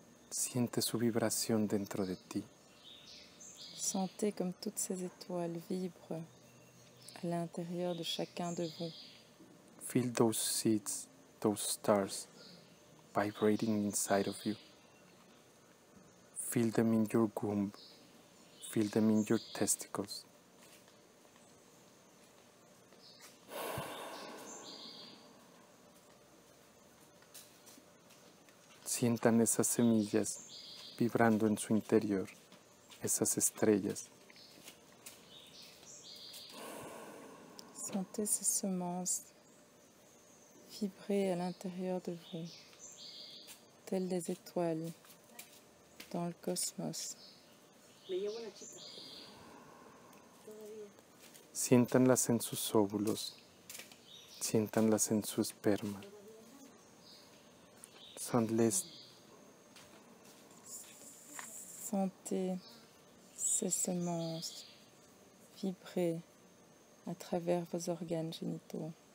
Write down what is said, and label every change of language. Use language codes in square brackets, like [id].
[es] Siente su vibración dentro de ti. [fr] Sentez comme toutes ces étoiles vibrent à l'intérieur de chacun de vous. [en] Feel those seeds, those stars vibrating inside of you. Feel them in your womb. Feel them in your testicles. [es] Sientan esas semillas vibrando en su interior, esas estrellas. [fr] Sentez ces semences vibrer à l'intérieur de vous, telles des étoiles dans le cosmos. [es] Siéntanlas en sus óvulos, siéntanlas en su esperma. [fr] Sentez ces semences vibrer à travers vos organes génitaux.